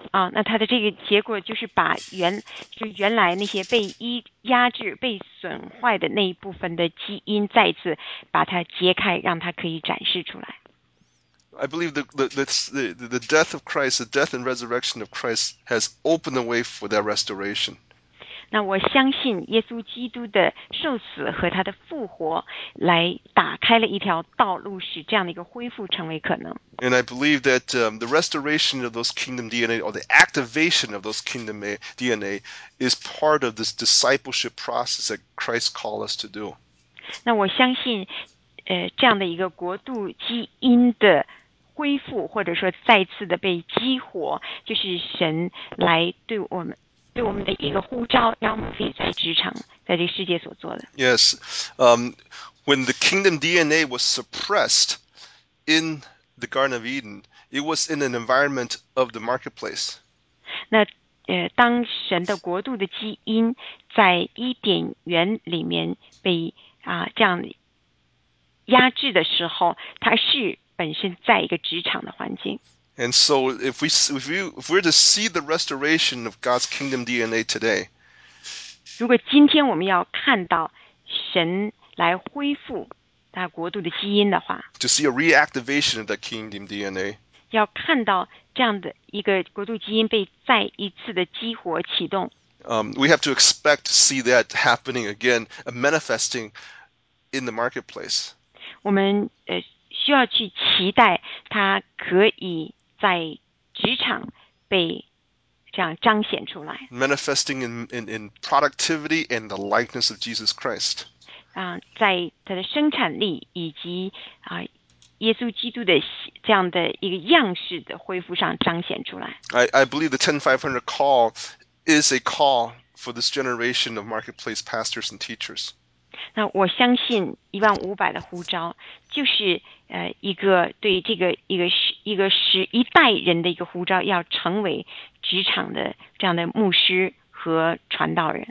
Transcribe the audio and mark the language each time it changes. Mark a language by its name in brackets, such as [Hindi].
[Chinese] 那它的这个结果就是把原来那些被压制、被损坏的那一部分的基因再次把它揭开，让它可以展示出来。 [English] I believe the death of Christ, the death and resurrection of Christ has opened the way for that restoration. [Chinese] 那我相信耶稣基督的受死和他的复活来打开了一条道路，使这样的一个恢复成为可能。 [English] And I believe that the restoration of those kingdom DNA or the activation of those kingdom DNA is part of this discipleship process that Christ called us to do. [Chinese] 那我相信这样的一个国度基因的恢复或者说再次的被激活，就是神来对我们的一个呼召，让我们可以在职场在这个世界所做的。 [English] Yes, when the kingdom DNA was suppressed in the Garden of Eden, it was in an environment of the marketplace. [Chinese] 那当神的国度的基因在伊甸园里面被这样压制的时候，它是本身在一个职场的环境。 [English] And so, if we're to see the restoration of God's kingdom DNA today, [Chinese] 如果今天我们要看到神来恢复他国度的基因的话， [English] to see a reactivation of the kingdom DNA, [Chinese] 要看到这样的一个国度基因被再一次的激活启动。 [English] we have to expect to see that happening again, manifesting in the marketplace. [Chinese] 我们需要去期待它可以在职场被这样彰显出来。 [English] Manifesting in productivity and the likeness of Jesus Christ. [Chinese] 在它的生产力以及耶稣基督的这样的一个样式的恢复上彰显出来。 [English] I believe the 10500 call is a call for this generation of marketplace pastors and teachers. [Chinese] 那我相信15,500的呼召，就是一个对这个一代人的一个呼召，要成为职场的这样的牧师和传道人。